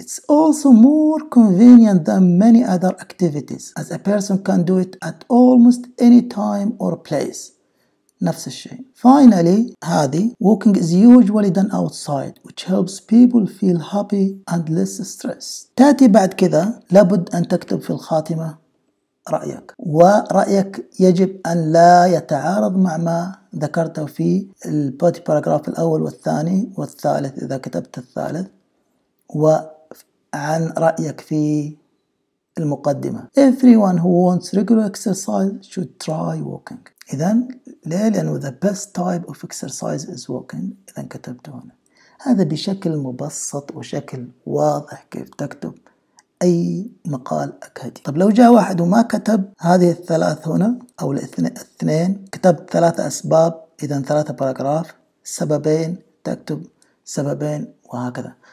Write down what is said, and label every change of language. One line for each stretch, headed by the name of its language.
English: It's also more convenient than many other activities, as a person can do it at almost any time or place.
Arabic: نفس الشيء.
English: Finally,
Arabic: هذه
English: walking is usually done outside, which helps people feel happy and less stressed.
Arabic: تأتي بعد كذا لابد أن تكتب في الخاتمة رأيك. ورأيك يجب أن لا يتعارض مع ما ذكرته في البودي باراجراف الأول والثاني والثالث إذا كتبت الثالث وعن رأيك في المقدمة.
English: Everyone who wants regular exercise should try walking.
Arabic: إذن ليه؟ لأنه
English: the best type of exercise is walking.
Arabic: إذن كتبت هنا هذا بشكل مبسط وشكل واضح كيف تكتب أي مقال أكاديمي. طب لو جاء واحد وما كتب هذه الثلاث هنا أو الاثنين، كتب ثلاثة أسباب، إذن ثلاثة باراجراف، سببين تكتب سببين وهكذا.